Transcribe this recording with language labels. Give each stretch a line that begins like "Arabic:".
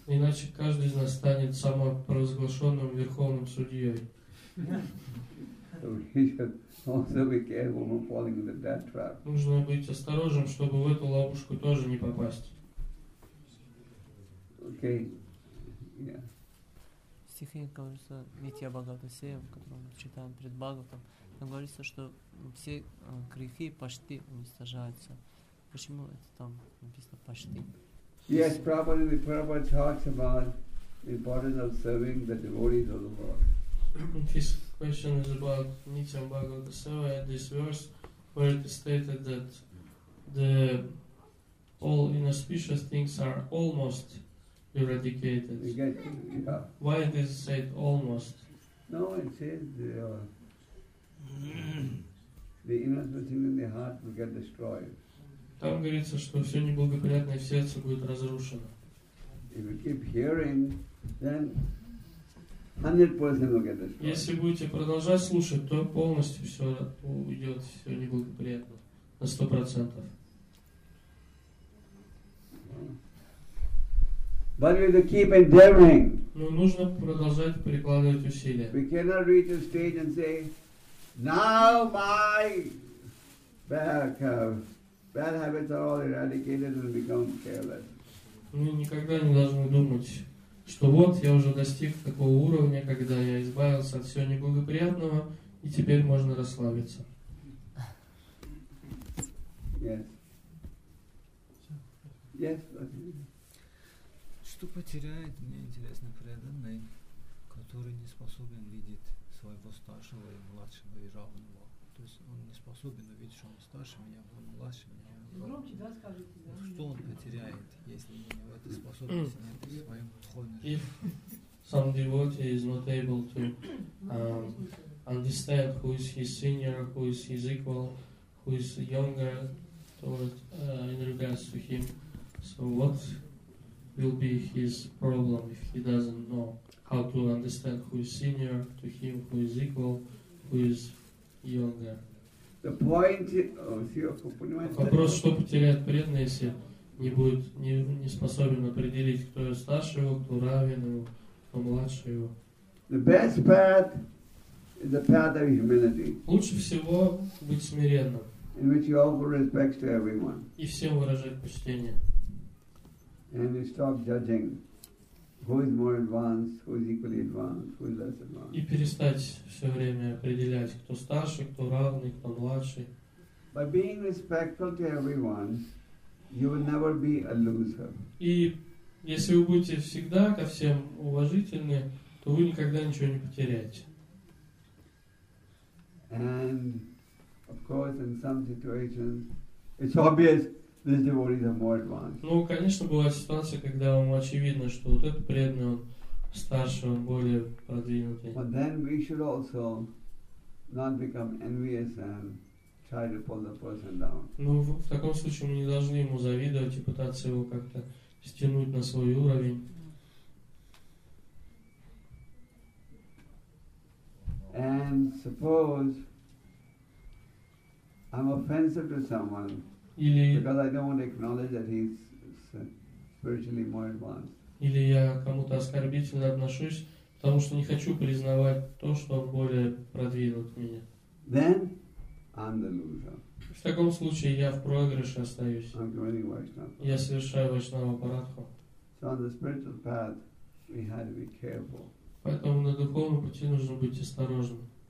Russian: Иначе каждый из нас станет самопровозглашенным верховным судьей.
English: So we should also be careful from falling into that trap.
Russian: Нужно быть осторожным, чтобы в эту ловушку тоже не попасть.
English: Okay. Yeah.
Russian: В стихе говорится, Нитья Бхагавата Сева, который мы читаем перед Бхагаватом, там говорится, что все грехи почти уничтожаются. Почему это там написано почти?
English: Yes, probably the Prabhupada talks about the importance of serving the devotees of the Lord. This question is about Nityam Bhagavata Seva, this verse where it is stated that the all inauspicious things are almost eradicated. Yeah. Why it is said almost? No, it says the inauspicious things in the heart will get destroyed.
Russian: Там говорится, что все неблагоприятное в сердце будет разрушено.
English: If you keep hearing, then 100% will get destroyed.
Russian: Если будете продолжать слушать, то полностью все уйдет, все неблагоприятно, на 100%.
English: But we have to keep endeavoring.
Russian: Но нужно продолжать прикладывать усилия.
English: We cannot reach a stage and say, now my bad habits are all eradicated and become careless.
Russian: Мы никогда не должны думать, что вот я уже достиг такого уровня, когда я избавился от всего неблагоприятного, и теперь можно расслабиться.
English: Yes.
Russian: Что потеряет, мне интересно, преданный, который не способен видеть своего старшего и младшего и равного. То есть он не способен увидеть, что он старше меня, он младше меня. Громче, да, скажите, да. Что он потеряет, если у него эта способность нет в своем духовной жизни?
English: Some devotee is not able to understand who is his senior, who is his equal, who is younger toward in regards to him. So what will be his problem if he doesn't know how to understand who is senior to him, who is equal, who is younger? The point.
Russian: Вопрос, что потеряет преданный, если не будет не способен определить, кто старше его, кто равен ему, кто младше его.
English: The best path is the path of humility.
Russian: Лучше всего быть смиренным.
English: In which you offer respect to everyone.
Russian: И всем выражать почтение.
English: And you stop judging who is more advanced, who is equally advanced, who is less advanced.
Russian: И перестать все время определять, кто старше, кто равный, кто младший.
English: By being respectful to everyone, you will never be a loser.
Russian: И если вы будете всегда ко всем уважительны, то вы никогда ничего не потеряете.
English: And of course, in some situations, it's obvious. These devotees are more advanced.
Russian: Ну, конечно, бывают ситуации, когда вам очевидно, что вот этот преданный, он старше, он более продвинутый.
English: But then we should also not become envious and try to pull the person down.
Russian: Ну, в таком случае мы не должны ему завидовать и пытаться его как-то стянуть на свой уровень.
English: And suppose I'm offensive to someone.
Russian: Или,
English: because I don't want to acknowledge that he's spiritually more advanced.
Russian: Или я кому-то оскорбительно отношусь, потому что не хочу признавать то, что он более продвинут меня.
English: Then I'm the loser.
Russian: В таком случае я в проигрыше остаюсь.
English: I'm joining Vaishnava.
Russian: Я совершаю Вайшнава Парадху.
English: So on the spiritual path, we have to be careful.
Russian: Поэтому на духовном пути нужно быть осторожным.